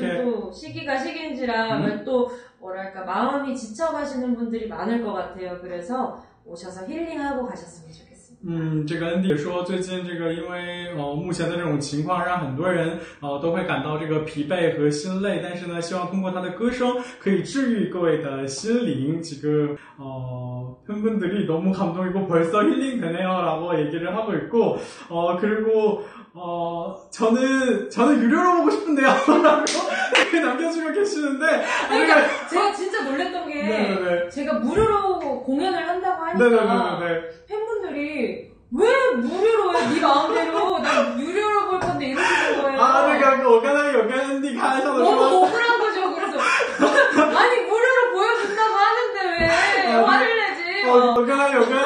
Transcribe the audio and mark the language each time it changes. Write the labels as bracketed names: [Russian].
[Korean] 요즘 또 시기가 시기인지라 또 뭐랄까 마음이 지쳐가시는 분들이 많을 것 같아요. 그래서 오셔서 힐링하고 가셨으면 좋겠습니다. [Chinese] 这个恩迪说最近这个因为目前的这种情况让很多人都会感到这个疲惫和心累但是呢希望通过他的歌声可以治愈各位的心灵 [Korean] 지금 팬분들이 너무 감동이고 벌써 힐링 되네요 라고 얘기를 하고 있고 그리고 저는 유료로 보고 싶은데요 라고 남겨주고 계시는데 그러니까 제가 진짜 놀랬던 게 네네네. 제가 무료로 공연을 한다고 하니까 네네네네. 팬분들이 왜 무료로 해? 네 마음대로 난 유료로 볼 건데 이러시는 거예요 아 그러니까 오가나미 오가나미 가서 너무 억울한 거죠 그래서 아니 무료로 보여준다고 하는데 왜 화를 내